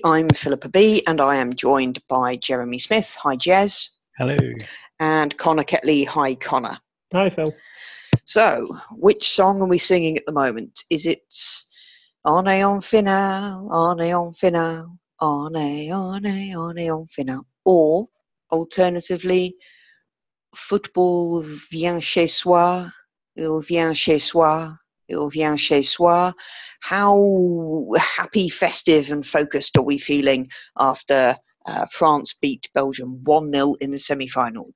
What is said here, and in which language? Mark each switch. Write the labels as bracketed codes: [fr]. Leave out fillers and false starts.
[en] I'm Philippa B and I am joined by Jeremy Smith. Hi, Jez. Hello. And Connor Ketley. Hi, Connor. Hi, Phil. So, which song are we singing at the moment? Is it [fr] On est en finale, on est en finale, on est en finale? [en] Or, alternatively, [fr] Football vient chez soi, il vient chez soi. Il vient chez soi. [en] How happy, festive and focused are we feeling after France beat Belgium 1-0 in the semi-final?